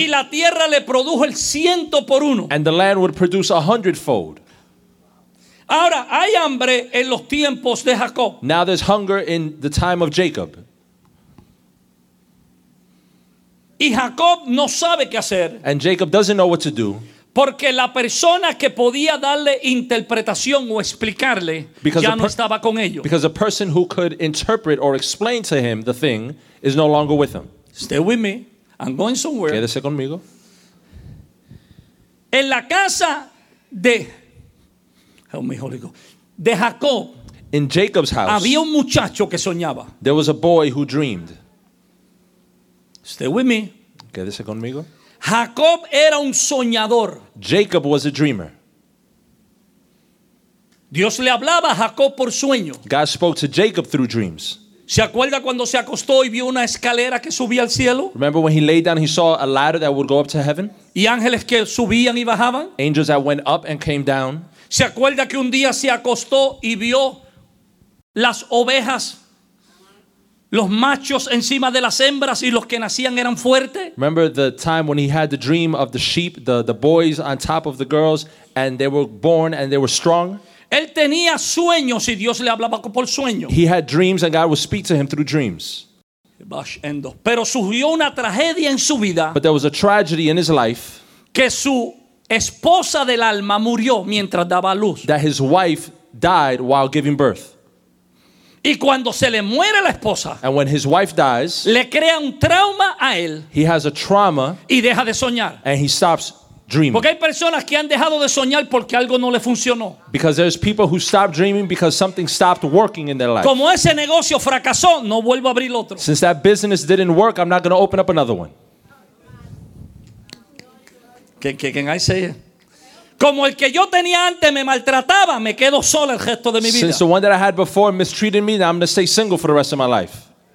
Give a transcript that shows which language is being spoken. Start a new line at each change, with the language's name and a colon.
Spanish: Y la tierra le produjo el ciento por uno.
English: And the land would produce a hundredfold.
Spanish: Ahora hay hambre en los tiempos de Jacob.
English: Now there's hunger in the time of Jacob.
Spanish: Y Jacob no sabe qué hacer.
English: And Jacob doesn't know what to do.
Spanish: Porque la persona que podía darle interpretación o explicarle ya no estaba con ellos.
English: Because the person who could interpret or explain to him the thing is no longer with him. Stay with me. I'm going somewhere.
Spanish: Quédese conmigo. En la casa de
English: Help me, Holy Ghost.
Spanish: De Jacob.
English: In Jacob's house.
Spanish: Había un muchacho que soñaba.
English: There was a boy who dreamed. Stay with me.
Spanish: Quédese conmigo. Jacob era un soñador.
English: Jacob was a dreamer.
Spanish: Dios le hablaba a Jacob por sueño.
English: God spoke to Jacob through dreams.
Spanish: ¿Se acuerda cuando se acostó y vio una escalera que subía al cielo?
English: Remember when he lay down, he saw a ladder that would go up to heaven?
Spanish: Y ángeles que subían y bajaban?
English: Angels that went up and came down.
Spanish: ¿Se acuerda que un día se acostó y vio las ovejas, los machos encima de las hembras y los que nacían eran fuertes?
English: Remember the time when he had the dream of the sheep, the boys on top of the girls, and they were born and they were strong?
Spanish: Él tenía sueños y Dios le hablaba por sueño.
English: He had dreams and God would speak to him through dreams.
Spanish: Pero surgió una tragedia en su vida.
English: But there was a tragedy in his life.
Spanish: Que su esposa del alma murió mientras daba luz.
English: That his wife died while giving birth.
Spanish: Y cuando se le muere la esposa.
English: And when his wife dies.
Spanish: Le crea un trauma a él.
English: He has a trauma.
Spanish: Y deja de soñar.
English: And he stops dreaming.
Spanish: Porque hay personas que han dejado de soñar porque algo no le funcionó.
English: Because there's people who stopped dreaming because something stopped working in their life.
Spanish: Como ese negocio fracasó, no vuelvo a abrir otro.
English: Since that business didn't work, I'm not going to open up another one. Can I say it?
Spanish: Como el que yo tenía antes me maltrataba, me quedo solo el resto de mi vida.
English: Since the one that I had before mistreated me, now I'm going to stay single for the rest of my life.